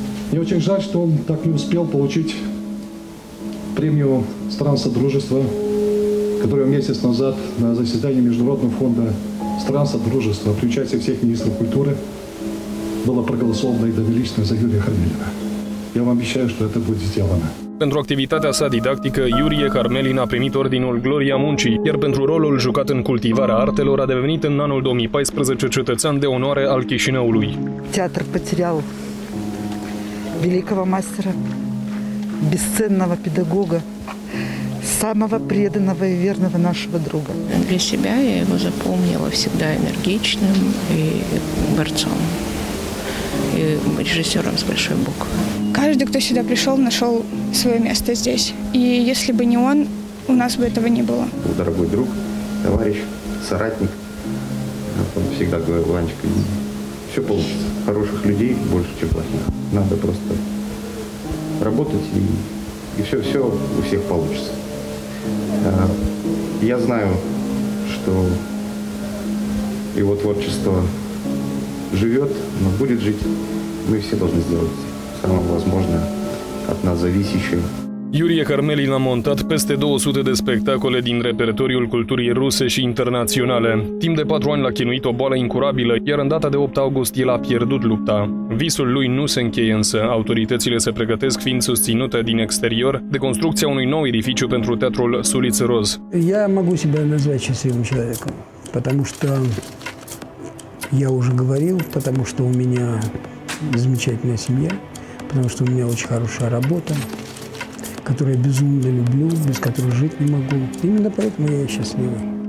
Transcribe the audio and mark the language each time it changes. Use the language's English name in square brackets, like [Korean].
[Russian] Мне очень жаль, что он так не успел получить премию стран Содружества, которую месяц назад на заседании Международного фонда стран Содружества при участии всех министров культуры было проголосовано и довелично за Юрия Хармелина. Я вам обещаю, что это будет сделано. [Romanian] Pentru activitatea sa didactică, Iurie Harmelin a primit Ordinul Gloria Muncii, iar pentru rolul jucat în cultivarea artelor a devenit în anul 2014 cetățean de onoare al Chișinăului. [Russian] Театр потерял великого мастера, бесценного педагога, самого преданного и верного нашего друга. Для себя я его запомнила всегда энергичным и борцом, и режиссером с большой буквы. Каждый, кто сюда пришел, нашел свое место здесь. И если бы не он, у нас бы этого не было. Дорогой друг, товарищ, соратник. Он всегда говорил: Ванечка, все получится. Хороших людей больше, чем плохих. Надо просто работать, и все у всех получится. Я знаю, что его творчество живет, но будет жить. Мы все должны сделать самое возможное от нас зависящее. [Romanian] Iurie Hărmelin a montat peste 200 de spectacole din repertoriul culturii ruse și internaționale. Timp de 4 ani l-a chinuit o boală incurabilă, iar în data de 8 august el a pierdut lupta. Visul lui nu se încheie însă. Autoritățile se pregătesc, fiind susținute din exterior, de construcția unui nou edificiu pentru teatrul Suliț Roz. [Russian] Я могу себя назвать счастливым человеком, потому что я уже говорил, потому что у меня замечательная семья, потому что у меня очень хорошая работа, которую я безумно люблю, без которой жить не могу. Именно поэтому я счастливый.